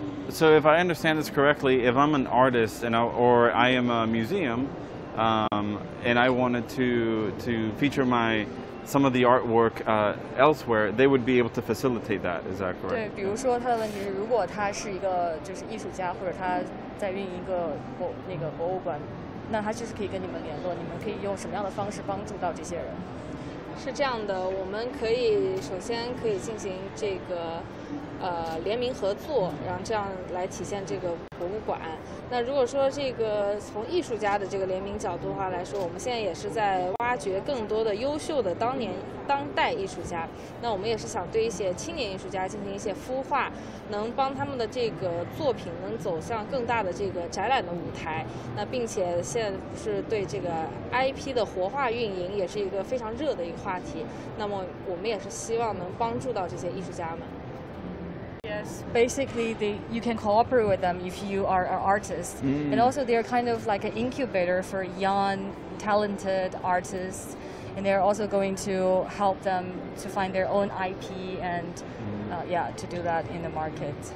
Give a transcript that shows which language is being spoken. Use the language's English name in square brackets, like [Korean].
[English] So if I understand this correctly, if I'm an artist and I am a museum, and I wanted to feature my some of the artwork elsewhere, they would be able to facilitate that, is that correct? [Chinese] 对，比如说他的问题是，如果他是一个就是艺术家，或者他在运营一个博物馆，那他就是可以跟你们联络，你们可以用什么样的方式帮助到这些人？是这样的，我们可以首先可以进行这个联名合作，然后这样来体现这个博物馆。那如果说这个从艺术家的这个联名角度的话来说，我们现在也是在挖掘更多的优秀的当代艺术家。那我们也是想对一些青年艺术家进行一些孵化，能帮他们的这个作品能走向更大的这个展览的舞台。那并且现在不是对这个 IP 的活化运营也是一个非常热的一个话题。那么我们也是希望能帮助到这些艺术家们。 [English] Yes, basically you can cooperate with them if you are an artist. Mm. And also they're kind of like an incubator for young, talented artists. And they're also going to help them to find their own IP and to do that in the market.